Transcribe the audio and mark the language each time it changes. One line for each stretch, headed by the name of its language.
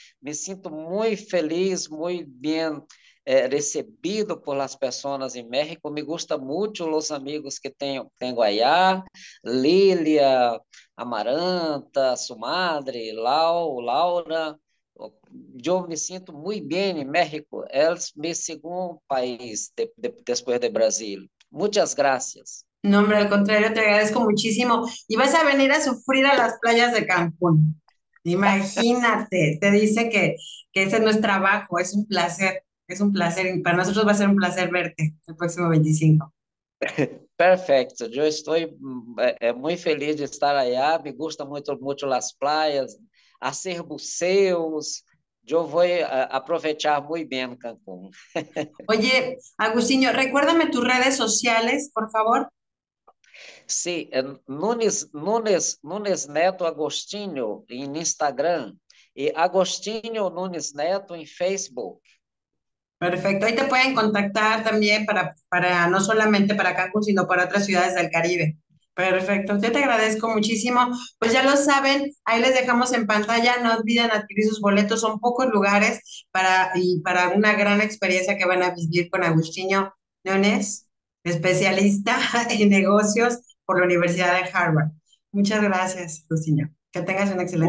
Spanish: Me siento muy feliz, muy bien recibido por las personas en México. Me gusta mucho los amigos que tengo allá: Lilia, Amaranta, su madre, Laura.
Portuguese: Eu me sinto muito bem em México. É o meu segundo país depois de Brasil. Muitas graças.
Spanish: No, hombre, al contrario, te agradezco muchísimo. Y vas a venir a sufrir a las playas de Cancún. Imagínate, te dice que ese no es trabajo, es un placer, y para nosotros va a ser un placer verte el próximo 25. Perfecto, yo estoy muy feliz de estar allá. Me gustan mucho las playas. Hacer
Portuguese: museus, eu vou aproveitar muito bem Cancún.
Spanish: Oye, Agustinho, recuérdame tus redes sociales, por favor.
Portuguese: Sim, Nunes Neto Agostinho em Instagram e Agostinho Nunes Neto em Facebook.
Spanish: Perfecto, ahí te pueden contactar también para no solamente para Cancún, sino para otras ciudades del Caribe. Perfecto, yo te agradezco muchísimo. Pues ya lo saben, ahí les dejamos en pantalla, no olviden adquirir sus boletos, son pocos lugares para una gran experiencia que van a vivir con Agustinho Núñez, especialista en negocios por la Universidad de Harvard. Muchas gracias, Agustinho. Que tengas una excelente